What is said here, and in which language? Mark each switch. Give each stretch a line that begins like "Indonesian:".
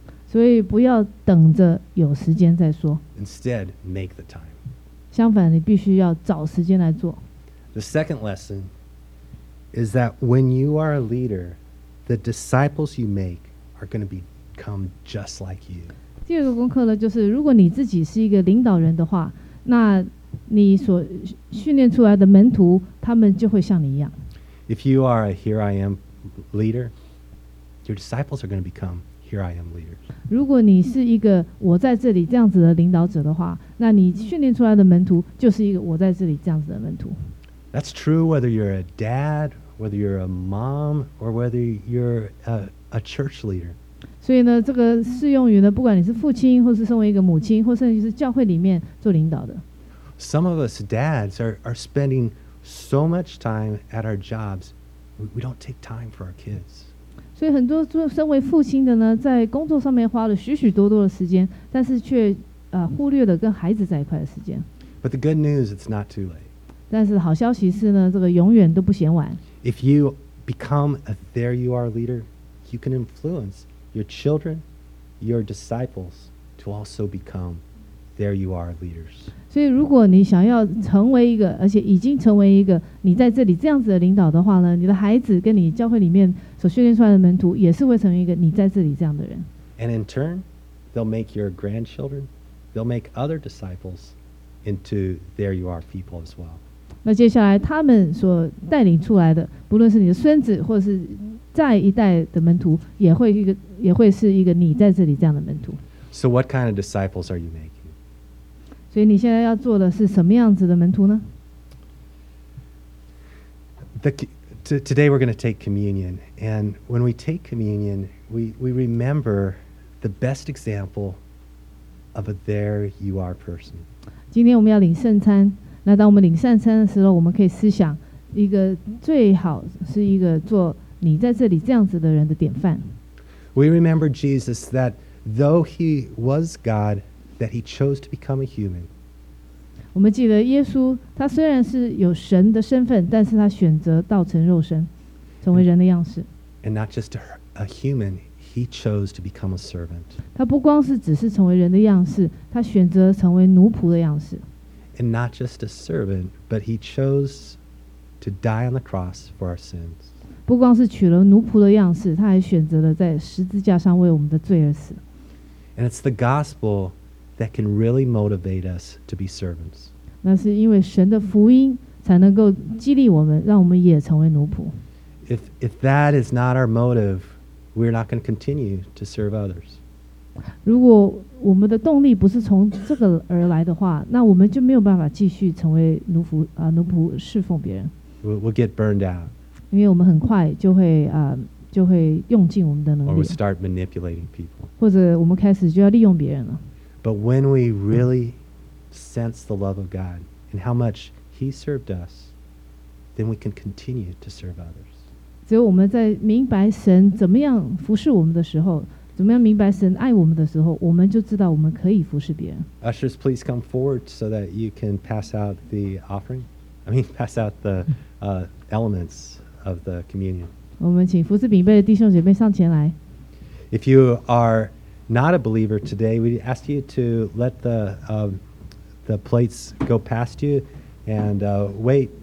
Chinese: 所以不要等着有时间再说。
English: Instead, make the time.
Chinese: 相反，你必须要找时间来做。
English: The second lesson is that when you are a leader, the disciples you make are going to become just like you.
Chinese: 第二个功课呢，就是如果你自己是一个领导人的话，那你所训练出来的门徒，他们就会像你一样。
English: If you are a here I am leader, your disciples are going to become here I am leaders.
Chinese: 如果你是一个我在这里这样子的领导者的话，那你训练出来的门徒就是一个我在这里这样子的门徒。
English: That's true whether you're a dad, whether you're a mom, or whether you're a church leader.
Chinese: 所以呢，这个适用于呢，不管你是父亲，或是身为一个母亲，或甚至是教会里面做领导的。
English: Some of us dads are spending so much time at our jobs, we don't take time for our kids.
Chinese: 所以很多身为父亲的呢，在工作上面花了许许多多的时间，但是却忽略了跟孩子在一块的时间。
English: But the good news, it's not too late.
Chinese: 但是好消息是呢，这个永远都不嫌晚。
English: If you become a there you are leader, you can influence your children, your disciples to also become there you are leaders.
Chinese: 所以如果你想要成为一个，而且已经成为一个你在这里这样子的领导的话呢，你的孩子跟你教会里面。所训练出来的门徒也是会成为一个你在这里这样的人。
English: And in turn, they'll make your grandchildren, they'll make other disciples into there you are people as well.
Chinese: 那接下来他们所带领出来的，不论是你的孙子或是再一代的门徒也会一个，也会是一个你在这里这样的门徒。
English: So what kind of disciples are you making?
Chinese: 所以你现在要做的是什么样子的门徒呢？
English: Today we're going to take communion, and when we take communion, we remember the best example of a there you are person.
Chinese: 今天我们要领圣餐，那当我们领圣餐的时候，我们可以思想一个最好是一个做你在这里这样子的人的典范。
English: We remember Jesus that though he was God, that he chose to become a human.
Chinese: 我们记得耶稣，他虽然是有神的身份，但是他选择道成肉身，成为人的样式。
English: And not just a human, he chose to become a servant.
Chinese: 他不光是只是成为人的样式，他选择成为奴仆的样式。
English: And not just a servant, but he chose to die on the cross for our sins.
Chinese: 不光是取了奴仆的样式，他还选择了在十字架上为我们的罪而死。
English: And it's the gospel that can really motivate us to be servants.
Chinese: 那是因为神的福音才能够激励我们，让我们也成为奴仆。
English: If that is not our motive, we're not going to continue to serve others.
Chinese: 如果我们的动力不是从这个而来的话，那我们就没有办法继续成为奴仆啊，奴仆侍奉别人。
English: We'll get burned out.
Chinese: 因为我们很快就会啊，就会用尽我们的能力。
English: Or we start manipulating people.
Chinese: 或者我们开始就要利用别人了。
English: But when we really sense the love of God and how much He served us, then we can continue to serve others.
Chinese: 只有我们在明白神怎么样服侍我们的时候，怎么样明白神爱我们的时候，我们就知道我们可以服侍别人。
English: Ushers, please come forward so that you can pass out the offering. Pass out the elements of the communion.
Chinese: 我们请服侍饼杯的弟兄姐妹上前来。
English: If you are not a believer today, we ask you to let the plates go past you and wait